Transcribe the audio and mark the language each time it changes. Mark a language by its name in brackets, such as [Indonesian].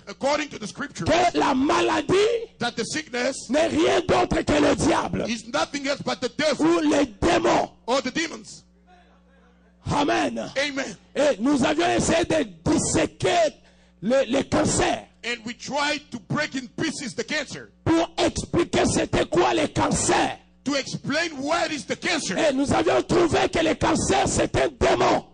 [English] According to the scriptures. [French] Que la maladie. [English] That the sickness. [French] N'est rien d'autre que le diable. [English] Is nothing else but the devil. [French] Ou les démons. [English] Or the demons. Amen. Amen. [French] Et nous avions essayé de disséquer le cancer. [English] And we tried to break in pieces the cancer. [French] Pour expliquer c'était quoi le cancer. [English] To explain what is the cancer. [French] Et nous avions trouvé que le cancer c'est un démon.